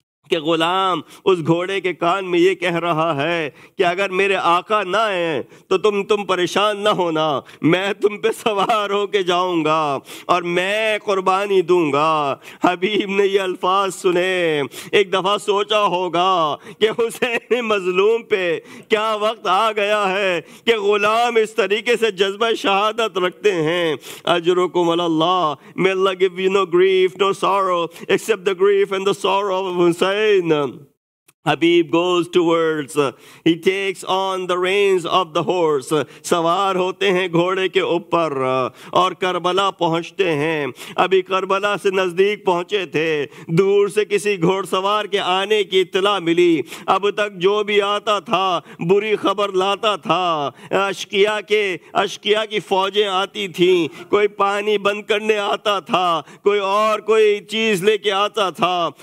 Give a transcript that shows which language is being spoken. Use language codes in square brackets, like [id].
[ur] کہ غلام اس گھوڑے کے کان میں یہ کہہ رہا ہے کہ اگر میرے آقا نہ آئے تو تم پریشان نہ ہونا, میں تم پہ سوار ہو کے جاؤں گا اور میں قربانی دوں گا. حبیب نے یہ الفاظ سنے, ایک دفعہ سوچا ہوگا کہ حسین مظلوم پہ کیا وقت آ گیا ہے کہ غلام اس طریقے سے جذبہ شہادت رکھتے ہیں. [ar] اجرکم اللہ, [en] May Allah give you no grief no sorrow except the grief and the sorrow of Hussain. Habib goes towards, he takes on the reins of the horse, [ur] سوار ہوتے ہیں گھوڑے کے اوپر اور کربلا پہنچتے ہیں. ابھی کربلا سے نزدیک پہنچے تھے, دور سے کسی گھوڑ سوار کے آنے کی اطلاع ملی. اب تک جو بھی آتا تھا بری خبر لاتا تھا, اشکیا کی فوجیں آتی تھیں, کوئی پانی بند کرنے آتا تھا, کوئی اور کوئی چیز لے کے آتا تھا.